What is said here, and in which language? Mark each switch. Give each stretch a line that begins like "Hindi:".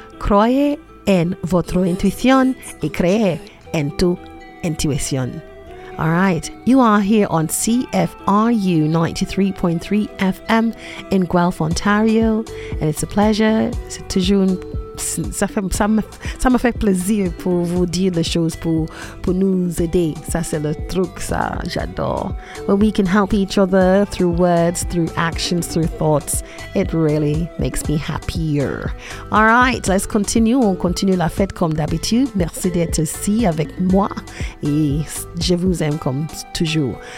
French: Croyez en votre intuition
Spanish: y créez en tu intuition.
English: All right, you are here on CFRU 93.3 FM in Guelph, Ontario, and it's a pleasure.
French: C'est toujours un, ça me fait plaisir pour vous dire les choses pour nous aider. Ça c'est le truc ça, j'adore.
English: When we can help each other through words, through actions, through thoughts, it really makes me happier. All right, let's continue.
French: On continue la fête comme d'habitude. Merci d'être ici avec moi et je vous aime comme toujours.